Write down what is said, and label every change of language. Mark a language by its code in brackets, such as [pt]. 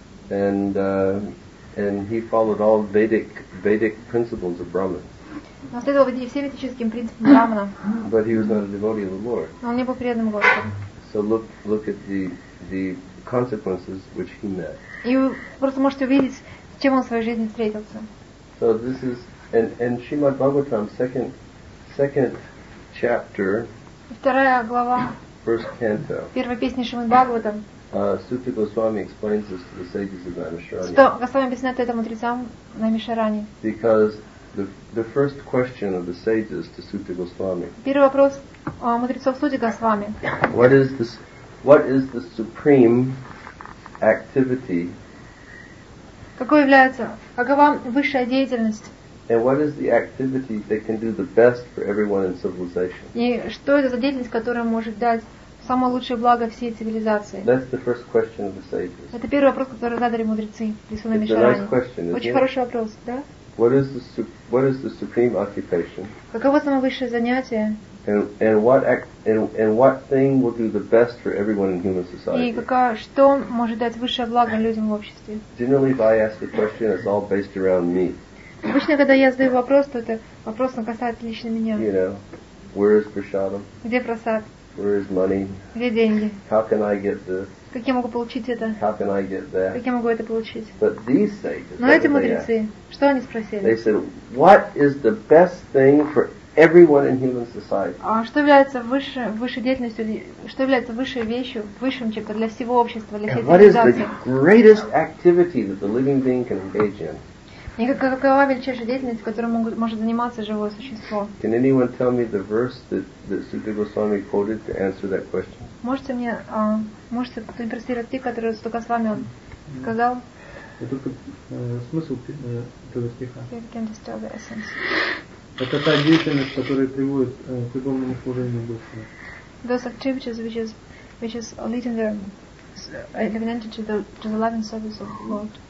[en] And he followed all Vedic principles of Brahman. [ru] Он следовал всем этическим принципам Брахмана. [en] But he was not a devotee of the Lord. [ru] Но он не был преданным Господу. [en] So look at the consequences which he met. [ru] И вы просто можете увидеть, с чем он в своей жизни встретился. [en] So this is and Srimad Bhagavatam second chapter. [ru] Вторая глава. [en] First canto. [ru] Первая песня Шримад Бхагаватам. [en] Сутта Госвами explains this to the sages of Намишарани. [ru] Что Госвами объясняет это мудрецам Намишарани? [en] Because the first question of the sages to Сутта Госвами. [ru] Первый вопрос мудрецов Сутты Госвами. [en] What is the supreme activity? [ru] Какой является, какова высшая деятельность? [en] And what is the activity that can do the best for everyone in civilization? [ru] И что это за деятельность, которая может дать самое лучшее благо всей цивилизации? [en] That's the first question of the sages. [ru] Это первый вопрос, который задали мудрецы. [en] It's a nice question, isn't it? [ru] Очень хороший вопрос, да? [en] What is the supreme occupation? [ru] Каково самое высшее занятие? [en] And what thing will do the best for everyone in human society? [ru] И какая что может дать высшее благо людям в обществе? [en] Generally, if I ask the question, it's all based around me. [ru] Обычно, когда я задаю вопрос, то это вопрос, он касается лично меня. [en] You know, where is prasadam? [ru] Где просад? [en] Where is money? [ru] Где деньги? [en] How can I get this? [ru] Как я могу получить это? [en] How can I get that? [ru] Как я могу это получить? [en] But these sages, [ru] но эти мудрецы, что они спросили? [en] They said, what is the best thing for everyone in human society? [ru] А что является высшей деятельностью, что является высшей вещью, высшим чем-то для всего общества, для всей цивилизации? [en] What is the greatest activity that the living being can engage in? [ru] И какова величайшая деятельность, которой может заниматься живое существо? [en] Can anyone tell me the verse that Sutta Goswami quoted to answer that question? [ru] Можете кто-нибудь процитировать стих, который Сутта Госвами сказал? Смысл этого стиха. [en] You can distill the essence. [ru] Это та деятельность, которая приводит к любовному служению Господа. [en] Those activities which is leading them, evidently to the loving service of the Lord.